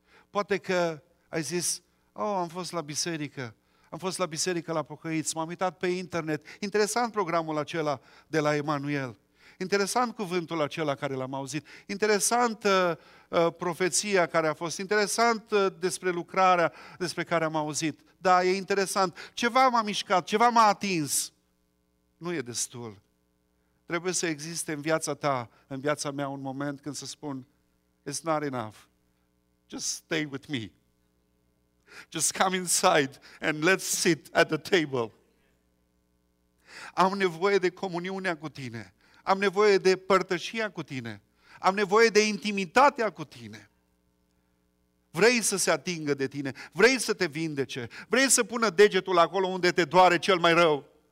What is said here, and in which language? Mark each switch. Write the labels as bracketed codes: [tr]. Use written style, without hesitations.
[ro] Poate că ai zis, am fost la biserică, am fost la biserică la Pocăiți, m-am uitat pe internet, interesant programul acela de la Emanuel, interesant cuvântul acela care l-am auzit, interesantă profeția care a fost, interesant despre lucrarea despre care am auzit. Da, e interesant, ceva m-a mișcat, ceva m-a atins. Nu e destul. Trebuie să existe în viața ta, în viața mea, un moment când să spun, [en] it's not enough. Just stay with me. Just come inside and let's sit at the table. [ro] Am nevoie de comuniunea cu tine. Am nevoie de părtășia cu tine. Am nevoie de intimitatea cu tine. Vrei să se atingă de tine. Vrei să te vindece. Vrei să pună degetul acolo unde te doare cel mai rău.